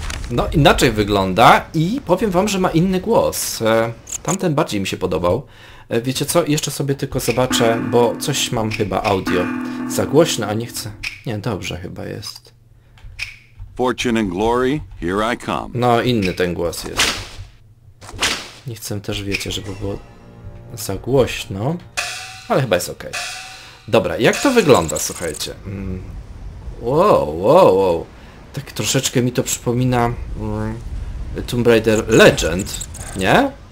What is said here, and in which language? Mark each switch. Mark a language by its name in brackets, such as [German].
[Polish] No, inaczej wygląda i powiem wam, że ma inny głos. Tamten bardziej mi się podobał. Wiecie co, jeszcze sobie tylko zobaczę, bo coś mam chyba audio za głośno, a nie chcę... Nie, dobrze chyba jest. [English] Fortune and glory, here I come. [Polish] No, inny ten głos jest. Nie chcę też, wiecie, żeby było za głośno. Ale chyba jest okej. Okay. Dobra, jak to wygląda, słuchajcie? Wow. Tak troszeczkę mi to przypomina Tomb Raider Legend, nie?